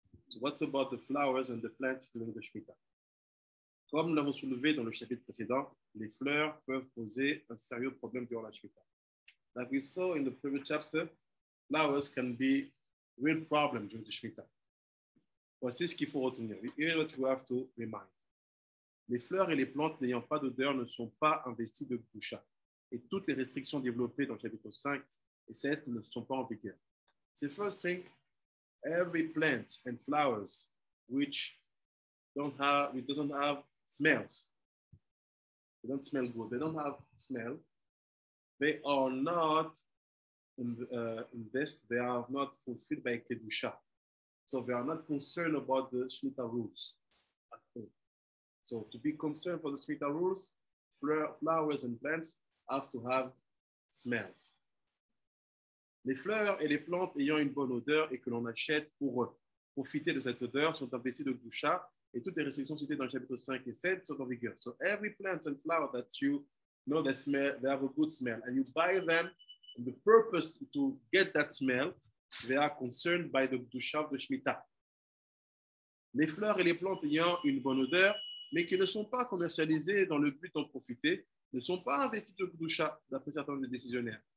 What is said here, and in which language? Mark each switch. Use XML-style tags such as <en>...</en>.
<en>So, what's about the flowers and the plants during the Shemitah?</en> <fr>Comme nous l'avons soulevé dans le chapitre précédent, les fleurs peuvent poser un sérieux problème durant la Shemitah.</fr> <en>Like we saw in the previous chapter, flowers can be a real problem during the Shemitah.</en> <fr>Voici ce qu'il faut retenir.</fr> <en>Here's what you have to remind.</en> <fr>Les fleurs et les plantes n'ayant pas d'odeur ne sont pas investies de Kedusha. Et toutes les restrictions développées dans le chapitre 5 et 7 ne sont pas en vigueur.</fr> <en>The first thing, every plant and flowers which don't have, it doesn't have smells. They don't smell good. They don't have smell. They are not invested, they are not fulfilled by Kedusha. So they are not concerned about the Shemitah rules at all. So to be concerned for the Shemitah rules, flowers and plants have to have smells.</en> <fr>Les fleurs et les plantes ayant une bonne odeur et que l'on achète pour profiter de cette odeur sont investies de Kedusha et toutes les restrictions citées dans le chapitre 5 et 7 sont en vigueur.</fr> <en>So every plant and flower that you know they smell, they have a good smell, and you buy them, and the purpose to get that smell, they are concerned by the Kedusha of the Shemitah.</en> <fr>Les fleurs et les plantes ayant une bonne odeur, mais qui ne sont pas commercialisées dans le but d'en profiter, ne sont pas investies de Kedusha, d'après certains des décisionnaires.</fr>